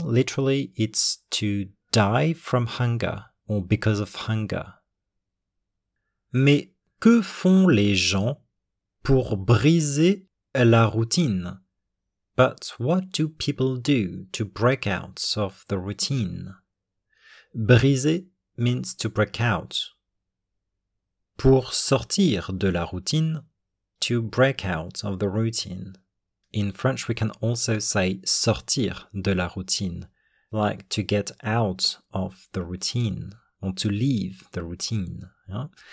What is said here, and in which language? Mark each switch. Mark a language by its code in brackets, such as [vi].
[en] Literally, it's to die from hunger or because of hunger. [fr] Mais que font les gens pour briser la routine? [en] But what do people do to break out of the routine? Briser means to break out. [fr] Pour sortir de la routine, [en] to break out of the routine. In French, we can also say [fr] sortir de la routine, [en] like to get out of the routine, or to leave the routine. Yeah?